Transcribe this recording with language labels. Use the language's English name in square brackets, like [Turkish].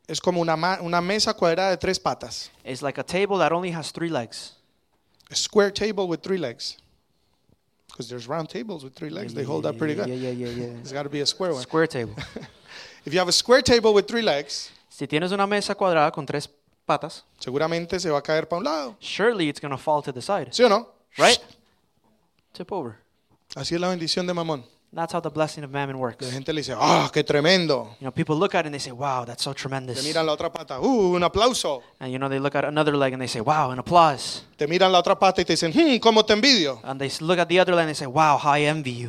[Spanish] Es como una mesa cuadrada de tres patas. [English] It's like a table that only has three legs. A square table with three legs. Because there's round tables with three legs. Yeah, they hold up pretty good. Yeah. It's got to be a square one. Square table. If you have a square table with three legs. [Spanish] Si tienes una mesa cuadrada con tres patas. Seguramente se va a caer para un lado. [English] Surely it's going to fall to the side. [Spanish] ¿Sí o no? [English] Right? Tip over. [Spanish] Así es la bendición de Mamón. [English] That's how the blessing of Mammon works. [Spanish] La gente le dice, ah, qué tremendo. [English] You know, people look at it and they say, wow, that's so tremendous. [Spanish] Te miran la otra pata, un aplauso. [English] And you know, they look at another leg and they say, wow, an applause. [Spanish] Te miran la otra pata y te dicen, cómo te envidio. [English] And they look at the other leg and they say, wow, how I envy you.